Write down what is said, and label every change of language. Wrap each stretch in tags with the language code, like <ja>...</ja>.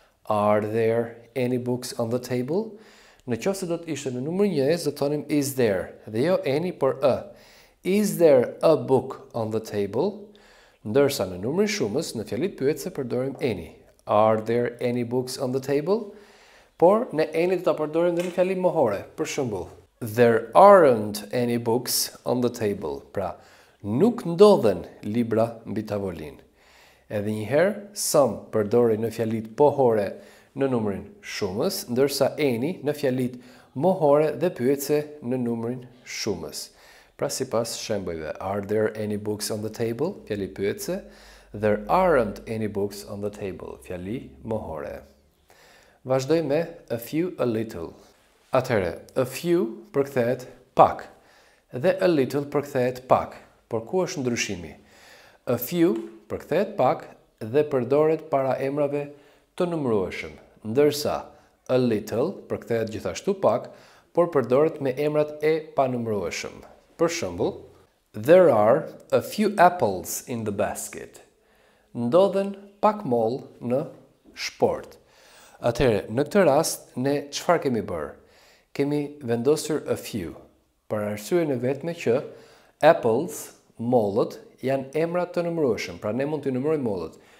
<en>Are there any books on the table?</en> <sq>Në qoftë se do të ishte në numër 1, do të thonim</sq> <en>is there,</en> <sq>dhe jo any por a.</sq> <en>Is there a book on the table?</en> <sq>Ndërsa në numrin shumës, në fjalit pyetëse përdorim any.</sq> <en>Are there any books on the table?</en> <sq>Por në any do ta përdorim dhe në fjalin mohore. Për shembull,</sq> <en>there aren't any books on the table.</en> <sq>Pra, nuk ndodhen libra mbi tavolinë. Edhe njëherë, some përdori në fjalit pohore në numrin shumës, ndërsa any në fjalit mohore dhe pyetëse në numrin shumës. Pra, si pas shembujve,</sq> <en>are there any books on the table?</en> <sq>Fjali pyetëse,</sq> <en>there aren't any books on the table.</en> <sq>Fjali mohore. Vazhdoj me a few, a little. Atëherë, a few përkthehet pak, dhe a little përkthehet pak. Por ku është ndryshimi? A few përkthehet pak dhe përdoret para emrave të numërueshëm, ndërsa a little përkthehet gjithashtu pak, por përdoret me emrat e panumërueshëm. Për shembull,</sq> <en>there are a few apples in the basket.</en> <sq>Ndodhen pak moll në shport. Atëherë, në këtë rast ne çfarë kemi bërë? Kemi vendosur a few për arsyeën e vetme që apples, mollët janë emrat të numërueshëm, pra ne mund t'i numërojmë mollët.</sq>